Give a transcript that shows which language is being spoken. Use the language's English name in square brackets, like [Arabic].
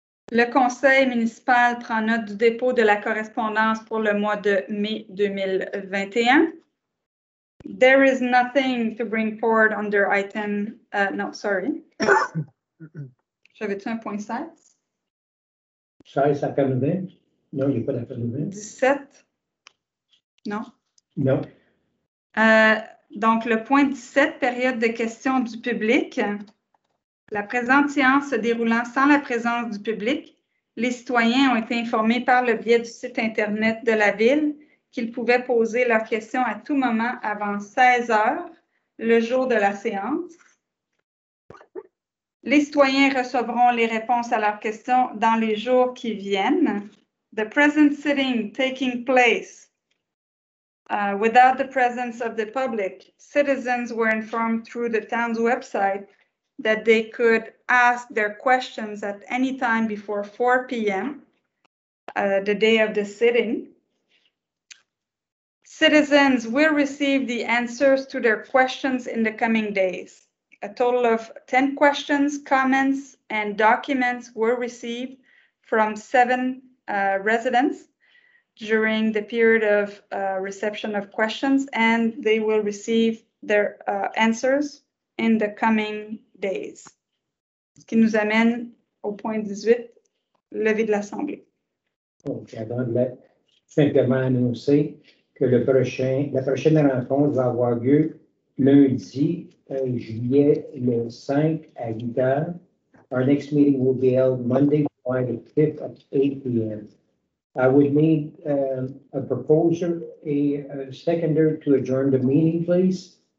[French] Le conseil municipal prend note du dépôt de la correspondance pour le mois de mai 2021. [English] There is nothing to bring forward under item, no, sorry. [French] J'avais-tu un point 16? 16 à 20? Non, il n'y a pas d'après 20. 17? Non. Non. Donc, le point 17, période de questions du public. La présente séance se déroulant sans la présence du public, les citoyens ont été informés par le biais du site Internet de la Ville qu'ils pouvaient poser leurs questions à tout moment avant 16 heures, le jour de la séance. Les citoyens recevront les réponses à leurs questions dans les jours qui viennent. [English] The present sitting taking place. Without the presence of the public, citizens were informed through the town's website that they could ask their questions at any time before 4 p.m., the day of the sitting. Citizens will receive the answers to their questions in the coming days. A total of 10 questions, comments, and documents were received from 7 residents during the period of reception of questions, and they will receive their answers in the coming days. [French] Ce qui nous amène au point 18, levée de l'Assemblée. OK, avant de simplement annoncer que la prochaine rencontre va avoir lieu lundi, juillet le 5 à 8 heures. [English] Our next meeting will be held Monday, July the 5th at 8 p.m. I would need a proposer, a seconder to adjourn the meeting, please.